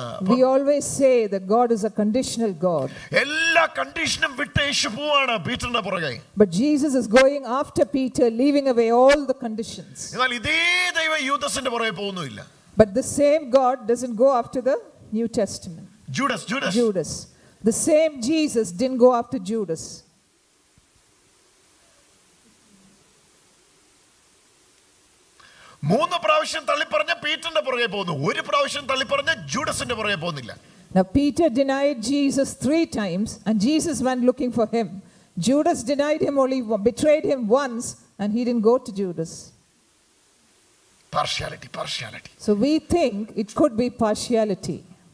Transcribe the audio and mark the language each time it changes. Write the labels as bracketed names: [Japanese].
[English] We always say that God is a conditional God. [Malayalam] എല്ലാ കണ്ടീഷനും വിട്ട് യേശു പോവാണ് പീറ്ററിന്റെ പുറകെ. [English] But Jesus is going after Peter, leaving away all the conditions. [Malayalam] എന്നാൽ ഇതേ ദൈവം യൂദാസിന്റെ പുറകെ പോകുന്നില്ല. [English] But the same God doesn't go after the New Testament. Judas. The same Jesus didn't go after Judas. [Malayalam] മൂന്ന് പ്രാവശ്യം തള്ളി പറഞ്ഞ പീറ്ററിന്റെ പുറകെ പോന്നു. ഒരു പ്രാവശ്യം തള്ളി പറഞ്ഞ ജൂഡസിന്റെ പുറകെ പോന്നില്ല. [English] Now Peter denied Jesus 3 times and Jesus went looking for him. Judas denied him only once, betrayed him once, and he didn't go to Judas. Partiality. So we think it could be partiality.